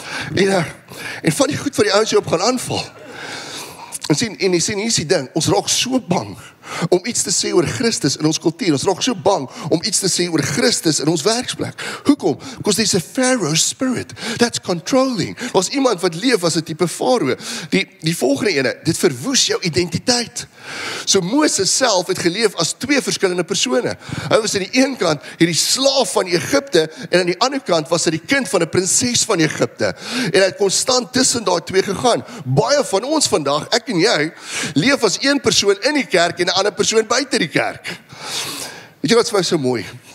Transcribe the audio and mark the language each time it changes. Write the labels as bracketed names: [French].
[Afrikaans] En van die goed wat die ouens jou op gaan aanval. En sien, hier is die ding, ons raak so bang om iets te sê oor Christus in ons kultuur. Ons raak so bang om iets te sê oor Christus in ons werksplek. Hoekom? [English] Because there's a Pharaoh spirit that's controlling. [Afrikaans] Was iemand wat leef as 'n tipe farao. Die volgende ene, dit verwoes jou identiteit. So Moses self het geleef as twee verskillende persone. Hy was aan die een kant hierdie slaaf van Egipte en aan die ander kant was hy die kind van 'n prinses van Egipte. En hy het konstant tussen daai twee gegaan. Baie van ons vandag, ek en jy, leef as een persoon in die kerk en 'n ander persoon buite die kerk. Weet jy wat vir my so mooi?